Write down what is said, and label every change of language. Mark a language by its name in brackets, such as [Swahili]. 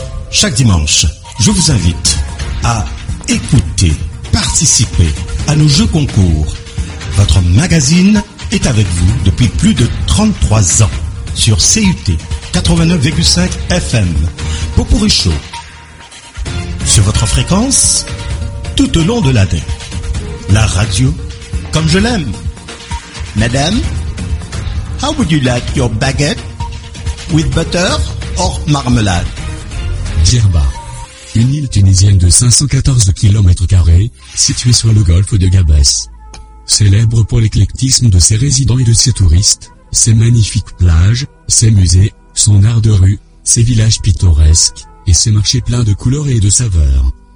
[French] Chaque dimanche, je vous invite à écouter, participer à nos jeux concours. Votre magazine est avec vous depuis plus de 33 ans sur CUT 89,5 FM. Potpourri Show sur votre fréquence tout au long de l'année. La radio comme je l'aime. [English] Madame, how would you like your baguette with butter or marmalade? [French] Djerba, une île tunisienne de 514 km² située sur le golfe de Gabès. Célèbre pour l'éclectisme de ses résidents et de ses touristes, ses magnifiques plages, ses musées, son art de rue, ses villages pittoresques et ses marchés pleins de couleurs et de saveurs.